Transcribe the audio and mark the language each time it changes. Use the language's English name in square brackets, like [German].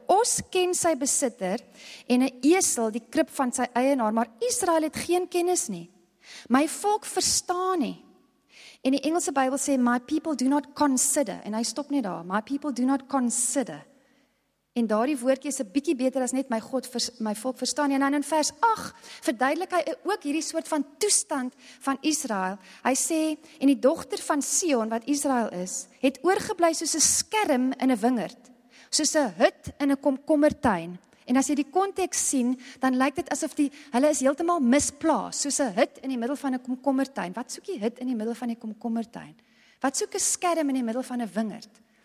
[Afrikaans] 'N os ken sy besitter en 'n esel die krib van sy eienaar, maar Israel het geen kennis nie. My volk verstaan nie. En die Engelse Bybel sê, [English] my people do not consider, [Afrikaans] en hy stop net daar, my people do not consider. En daar die woordjie is 'n bietjie beter as net my volk verstaan. En dan in vers 8, verduidelik hy ook hierdie soort van toestand van Israel. Hy sê, en die dogter van Sion, wat Israel is, het oorgebly soos 'n skerm in 'n wingerd, soos 'n hut in 'n komkommertuin. En as jy die context sien, dan lyk dit asof hulle is heeltemal misplaas, soos 'n hut in die middel van 'n komkommertuin. Wat soek die hut in die middel van die komkommertuin? Wat soek 'n skerm in die middel van 'n wingerd?